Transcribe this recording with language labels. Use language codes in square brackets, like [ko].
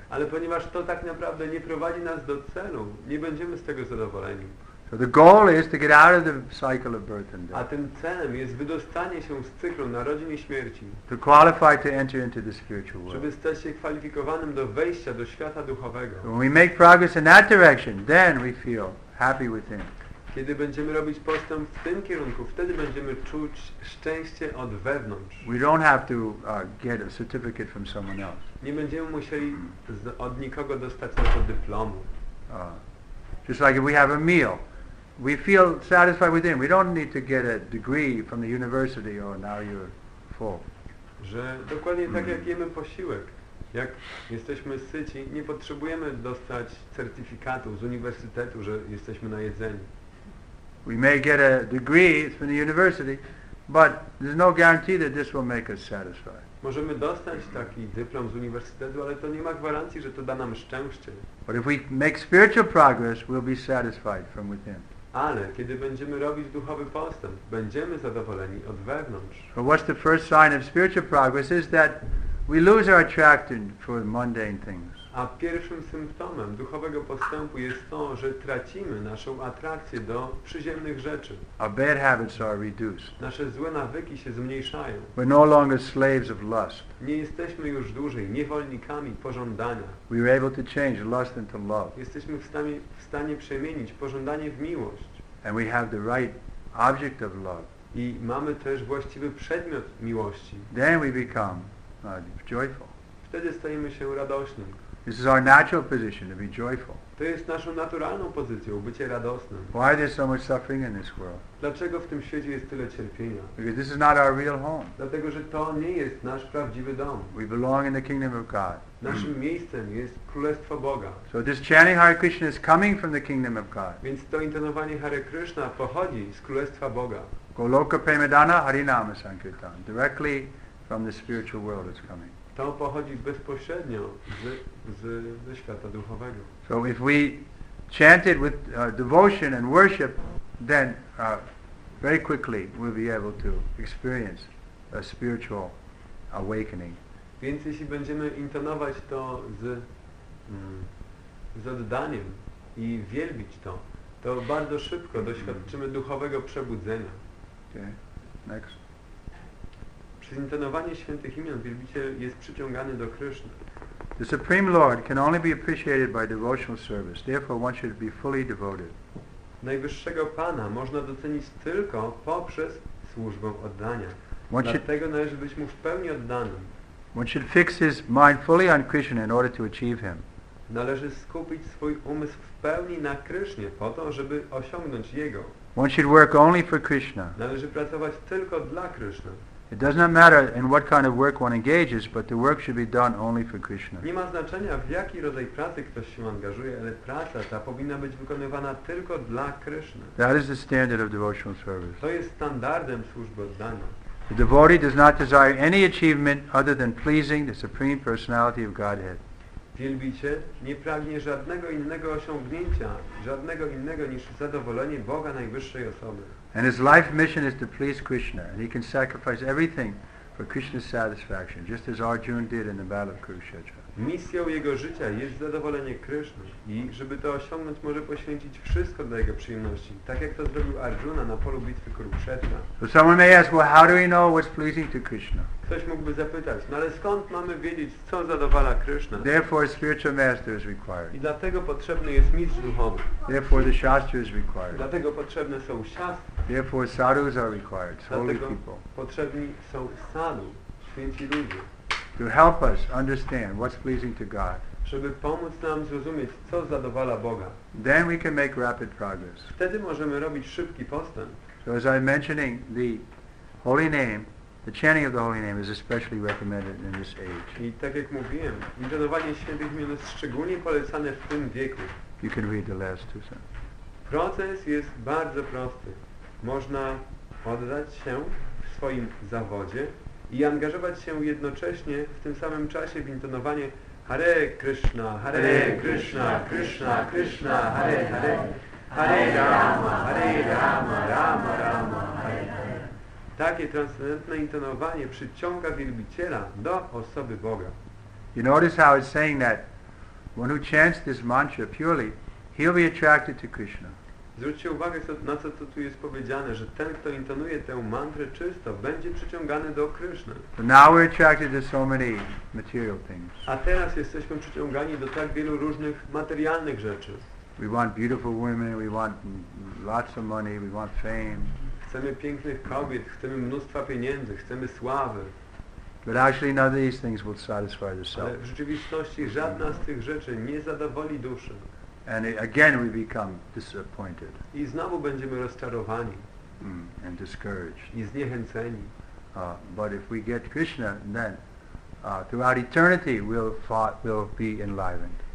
[pl] Ale ponieważ to tak naprawdę nie prowadzi nas do celu, nie będziemy z tego zadowoleni. [en] So the goal is to get out of the cycle of birth and death. [pl] A tym celem jest wydostanie się z cyklu narodzin i śmierci. [en] To qualify to enter into the spiritual world. [pl] Żeby stać się kwalifikowanym do wejścia do świata duchowego. [en] When we make progress in that direction, then we feel happy within. [pl] Kiedy będziemy robić postęp w tym kierunku, wtedy będziemy czuć szczęście od wewnątrz. [en] We don't have to get a certificate from someone else. [pl] Nie będziemy musieli od nikogo dostać tego dyplomu. [en] Just like if we have a meal, we feel satisfied within. We don't need to get a degree from the university or now you're full. [pl] Że dokładnie tak jak jemy posiłek, jak jesteśmy syci, nie potrzebujemy dostać certyfikatu z uniwersytetu, że jesteśmy najedzeni. [en] We may get a degree from the university, but there's no guarantee that this will make us satisfied. [pl] Możemy dostać taki dyplom z uniwersytetu, ale to nie ma gwarancji, że to da nam szczęście. [en] But if we make spiritual progress, we'll be satisfied from within. [pl] Ale kiedy będziemy robić duchowy postęp, będziemy zadowoleni od wewnątrz. [en] So what's the first sign of spiritual progress is that we lose our attraction for mundane things. [pl] A pierwszym symptomem duchowego postępu jest to, że tracimy naszą atrakcję do przyziemnych rzeczy. [en] Our bad habits are reduced. [pl] Nasze złe nawyki się zmniejszają. [en] We're no longer slaves of lust. [pl] Nie jesteśmy już dłużej niewolnikami pożądania. [en] We are able to change lust into love. [pl] Jesteśmy w stanie przemienić pożądanie w miłość. [en] And we have the right object of love. [pl] I mamy też właściwy przedmiot miłości. [en] Then we become joyful. [pl] Wtedy stajemy się radośni. [en] This is our natural position, to be joyful. [pl] To jest naszą naturalną pozycją, bycie radosnym. [en] Why is there so much suffering in this world? [pl] Dlaczego w tym świecie jest tyle cierpienia? [en] Because this is not our real home. [pl] Dlatego, że to nie jest nasz prawdziwy dom. [en] We belong in the kingdom of God. [pl] Naszym miejscem jest Królestwo Boga. [en] So this chanting Hare Krishna is coming from the kingdom of God. [pl] Więc to intonowanie Hare Krishna pochodzi z Królestwa Boga. [sa] Goloka Premedana Harinama Sankirtan. [en] Directly from the spiritual world is coming. [pl] To pochodzi bezpośrednio ze świata duchowego. [en] So if we chant it with devotion and worship, then very quickly we'll be able to experience a spiritual awakening. [pl] Więc jeśli będziemy intonować to z oddaniem i wielbić to, to bardzo szybko doświadczymy duchowego przebudzenia. [en] Okay, next. [pl] Przez intonowanie świętych imion wielbiciel jest przyciągany do Kryszny. [en] The Supreme Lord can only be appreciated by devotional service. Therefore, one should be fully devoted. [pl] najwyższego Pana można docenić tylko poprzez służbę oddania. Dlatego należy być mu w pełni oddanym. [en] One should fix his mind fully on Krishna in order to achieve him. [pl] Należy skupić swój umysł w pełni na Krishnie po to, żeby osiągnąć jego. [en] One should work only for Krishna. [pl] Należy pracować tylko dla Krishna. [en] It does not matter in what kind of work one engages, but the work should be done only for Krishna. [pl] Nie ma znaczenia, w jaki rodzaj pracy ktoś się angażuje, ale praca ta powinna być wykonywana tylko dla Krishna. [en] That is the standard of devotional service. [pl] To jest standardem służby oddania. [en] The devotee does not desire any achievement other than pleasing the Supreme Personality of Godhead. [pl] Wielbiciel nie pragnie żadnego innego osiągnięcia, żadnego innego niż zadowolenie Boga Najwyższej Osoby. [en] And his life mission is to please Krishna. And he can sacrifice everything for Krishna's satisfaction, just as Arjuna did in the battle of Kurukshetra. [pl] Misją jego życia jest zadowolenie Krishna i żeby to osiągnąć, może poświęcić wszystko dla jego przyjemności, tak jak to zrobił Arjuna na polu bitwy Kurukshetra. [en] So someone may ask, well, how do we know what's pleasing to Krishna? [pl] Ktoś mógłby zapytać, no ale skąd mamy wiedzieć, co zadowala Krishna? [en] Therefore, a spiritual master is required. [pl] I dlatego potrzebny jest mistrz duchowy. [en] Therefore, the shastra is required. [pl] Dlatego potrzebne są shastra. [en] Therefore, sadhus are required, holy people. [pl] Dlatego potrzebni są sadhu, święci ludzie. [en] To help us understand what's pleasing to God. [pl] Żeby pomóc nam zrozumieć, co zadowala Boga. [en] Then we can make rapid progress. [pl] Wtedy możemy robić szybki postęp. [en] So as I'm mentioning, the holy name, the chanting of the holy name is especially recommended in this age. [pl] I tak jak mówiłem, intonowanie świętych imion jest szczególnie polecane w tym wieku. [en] You can read the last two sentences. [pl] Proces jest bardzo prosty. Można oddać się w swoim zawodzie i angażować się jednocześnie w tym samym czasie w intonowanie [sa] Hare Krishna, Hare Krishna, Krishna Krishna, Hare Hare, [pl] Hare Rama, Hare Rama, Rama Rama, Hare Hare. Takie transcendentne intonowanie przyciąga wielbiciela do osoby Boga. [en] You notice how it's saying that one who chants this mantra purely, he'll be attracted to Krishna. [pl] Zwróćcie uwagę, na co to tu jest powiedziane, że ten, kto intonuje tę mantrę czysto, będzie przyciągany do Kryszny. [en] Now we're attracted to so many material things. [pl] A teraz jesteśmy przyciągani do tak wielu różnych materialnych rzeczy. [en] We want beautiful women, we want lots of money, we want fame. [pl] Chcemy pięknych kobiet, chcemy mnóstwa pieniędzy, chcemy sławy. [en] But actually none of these things will satisfy the soul. [pl] Ale w rzeczywistości żadna z tych rzeczy nie zadowoli duszy. [en] And again we become disappointed. [pl] I znowu będziemy rozczarowani. [en] And discouraged. [pl] I zniechęceni. [en] But if we get Krishna, then throughout eternity we'll be enlivened.